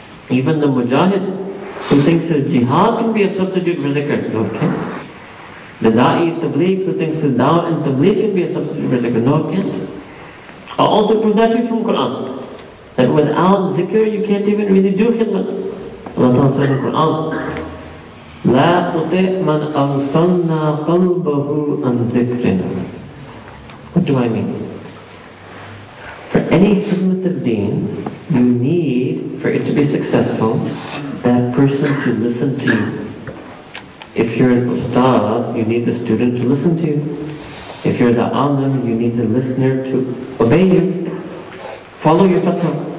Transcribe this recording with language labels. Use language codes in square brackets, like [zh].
[en] Even the Mujahid who thinks that jihad can be a substitute for zikr. No, it can't. The da'i tabliq who thinks that da'a and tabliq can be a substitute for zikr. No, it can't. I'll also prove that to you from Quran. That without zikr, you can't even really do khidmat. Allah Ta'ala says in the Quran, [ar] لَا تُطِعْ مَنْ أَغْفَلْنَا قَلْبَهُ عَنْ ذِكْرِنَا. [en] What do I mean? For any khidmat of deen, you need, for it to be successful, that person to listen to you. If you're an ustad, you need the student to listen to you. If you're the alim, you need the listener to obey you. Follow your fatwa.